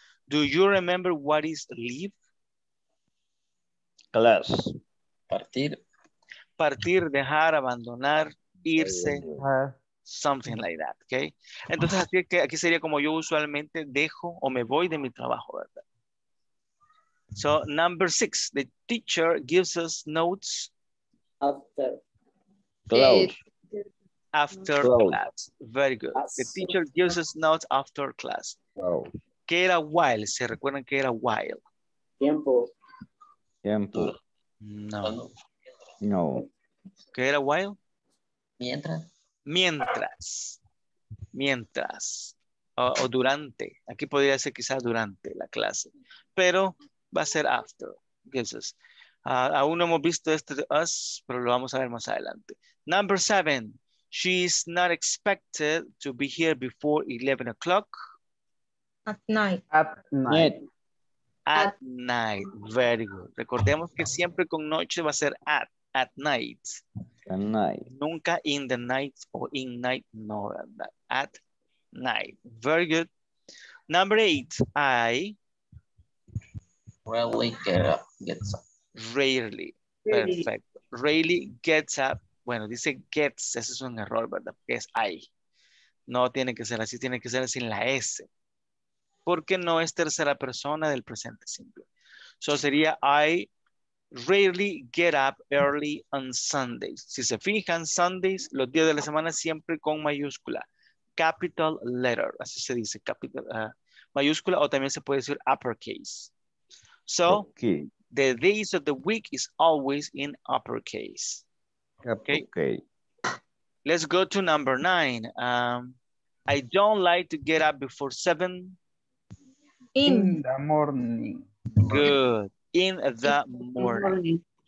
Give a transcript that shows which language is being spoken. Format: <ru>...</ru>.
<en>Do you remember what is leave? Class.</en> <es>Partir. Partir, dejar, abandonar, irse,</es> <en>something like that, okay?</en> <es>Entonces aquí sería como yo usualmente dejo o me voy de mi trabajo, ¿verdad?</es> <en>So, number six, the teacher gives us notes After. Cloud. After cloud. Class. Very good. The teacher gives us notes after class. Cloud.</en> <es>¿Qué era while? ¿Se recuerdan qué era while? Tiempo. Tiempo. No. No. ¿Qué era while? Mientras. Mientras. Mientras. O durante. Aquí podría ser quizás durante la clase. Pero va a ser after. Aún no hemos visto este de us, pero lo vamos a ver más adelante.</es> <en>Number 7. She is not expected to be here before 11 o'clock. At night. At night. At night. Very good.</en> <es>Recordemos que siempre con noche va a ser at.</es> <en>At night. At night.</en> <es>Nunca</es> <en>in the night o in night. No, at night. Very good. Number 8. I. Rarely gets up. Rarely. Perfect. Rarely gets up.</en> <es>Bueno, dice gets. Ese es un error, ¿verdad? Porque es I. No tiene que ser así. Tiene que ser sin la S. Porque no es tercera persona del presente simple.</es> <en>So</en> <es>sería</es> <en>I rarely get up early on Sundays.</en> <es>Si se fijan, Sundays, los días de la semana, siempre con mayúscula.</es> <en>Capital letter.</en> <es>Así se dice. Capital, mayúscula o también se puede decir uppercase.</es> <en>So, okay. The days of the week is always in uppercase. Okay. Okay. Let's go to number 9. I don't like to get up before 7. In the morning. Good. In the morning.</en>